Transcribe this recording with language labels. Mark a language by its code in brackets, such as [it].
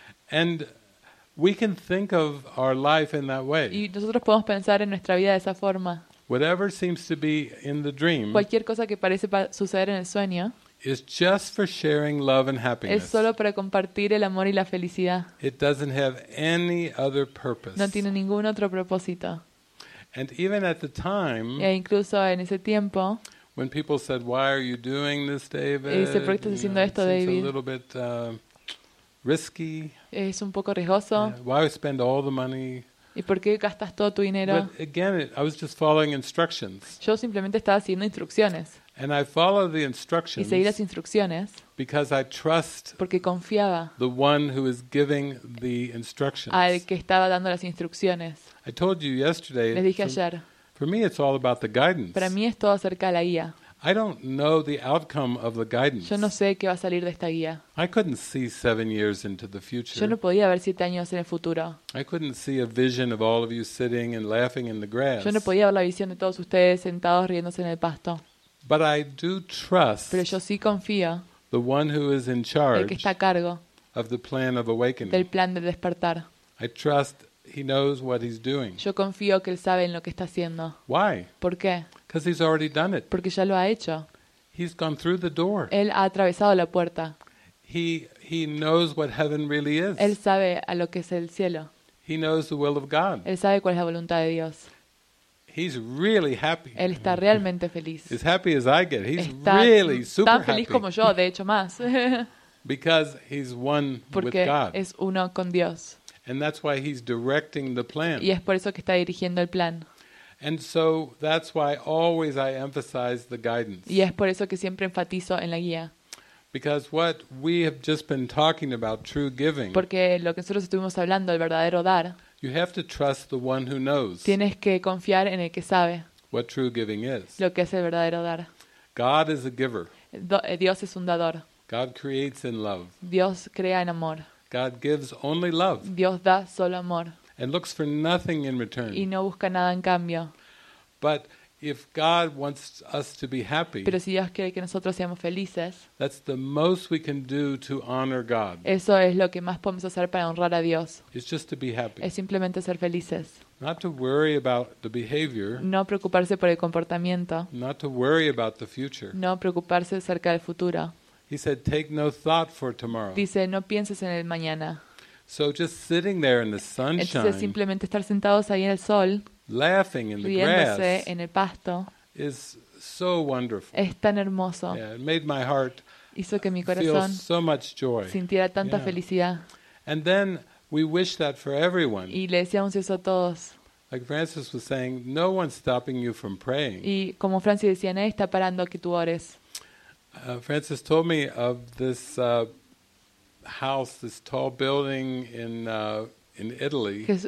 [en] And we can think of our life in that way. [es] Y nosotros podemos pensar en nuestra vida de esa forma. [en] Whatever seems to be in the dream. [es] Cualquier cosa que parece suceder en el sueño. [en] Is just for sharing love and happiness. [es] Es solo para compartir el amor y la felicidad. [en] It doesn't have any other purpose. [es] No tiene ningún otro propósito. [en] And even at the time. [es] E incluso en ese tiempo. [en] When people said, "Why are you doing this, David?" [es] Y dice, ¿por qué estás haciendo esto, David? [en] A little bit risky. [es] Es un poco riesgoso. Yeah. [en] Why would you spend all the money? [es] ¿Y por qué gastas todo tu dinero? [en] But again, I was just following instructions. [es] Yo simplemente estaba siguiendo instrucciones. [en] And I followed the instructions. [es] Y seguí las instrucciones. [en] Because I trust. [es] Porque confiaba. [en] The one who is giving the instructions. [es] Al que estaba dando las instrucciones. [en] I told you yesterday. [es] Les dije ayer. [en] For me, it's all about the guidance. [es] Para mí es todo acerca de la guía. [en] I don't know the outcome of the guidance. [es] Yo no sé qué va a salir de esta guía. [en] I couldn't see 7 years into the future. [es] Yo no podía ver 7 años en el futuro. [en] I couldn't see a vision of all of you sitting and laughing in the grass. [es] Yo no podía ver la visión de todos ustedes sentados riéndose en el pasto. [en] But I do trust. [es] Pero yo sí confío. [en] The one who is in charge. [es] El que está a cargo. [en] Of the plan of awakening. [es] Del plan de despertar. [en] I trust. He knows what he's doing. [es] Yo confío que él sabe en lo que está haciendo. [en] Why? [es] ¿Por qué? [en] Because he's already done it. [es] Porque ya lo ha hecho. [en] He's gone through the door. [es] Él ha atravesado la puerta. [en] He knows what heaven really is. [es] Él sabe a lo que es el cielo. [en] He knows the will of God. [es] Él sabe cuál es la voluntad de Dios. [en] He's really happy. [es] Él está realmente feliz. [en] As happy as I get. He's really super happy. [es] Como yo, de hecho más. [en] Because he's one [es] Porque [en] with God. [es] Porque es uno con Dios. [en] And that's why he's directing the plan. [es] Y es por eso que está dirigiendo el plan. [en] And so that's why always I emphasize the guidance. [es] Y es por eso que siempre enfatizo en la guía. [en] Because what we have just been talking about, true giving. [es] Porque lo que nosotros estuvimos hablando, el verdadero dar. [en] You have to trust the one who knows. [es] Tienes que confiar en el que sabe. [en] What true giving is. [es] Lo que es el verdadero dar. [en] God is a giver. [es] Dios es un dador. [en] God creates in love. [es] Dios crea en amor. [en] God gives only love. [es] Dios da solo amor. [en] And looks for nothing in return. [es] Y no busca nada en cambio. [en] But if God wants us to be happy. [es] Pero si Dios quiere que nosotros seamos felices. [en] That's the most we can do to honor God. [es] Eso es lo que más podemos hacer para honrar a Dios. [en] It's just to be happy. [es] Es simplemente ser felices. [en] Not to worry about the behavior. [es] No preocuparse por el comportamiento. [en] Not to worry about the future. [es] No preocuparse acerca del futuro. [en] He said, "Take no thought for tomorrow." [es] Dice, no pienses en el mañana. [en] So just sitting there in the sunshine. [es] Es simplemente estar sentados ahí en el sol. [en] Laughing in the grass. [es] Riéndose en el pasto. [en] Is so wonderful. [es] Es tan hermoso. [en] Yeah, it made my heart. [es] Hizo que mi corazón [en] so much joy. [es] Sintiera tanta yeah. felicidad. [en] And then we wish that for everyone. [es] Y le deseamos eso a todos. [en] Like Francis was saying, no one's stopping you from praying. [es] Y como Francis decía, nadie está parando que tú ores. [en] Francis told me of this house, this tall building in Italy.